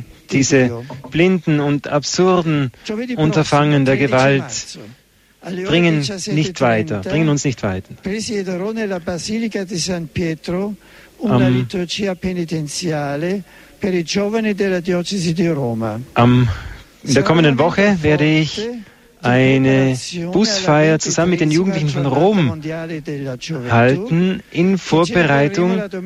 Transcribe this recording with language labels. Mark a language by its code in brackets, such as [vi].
[de] Diese blinden und absurden Unterfangen der Gewalt bringen uns nicht weiter. [it] Presiederono la Basilica di San Pietro una liturgia penitenziale per i giovani della diocesi di Roma. [de] In der kommenden Woche werde ich eine Busfeier zusammen mit den Jugendlichen von Rom halten in Vorbereitung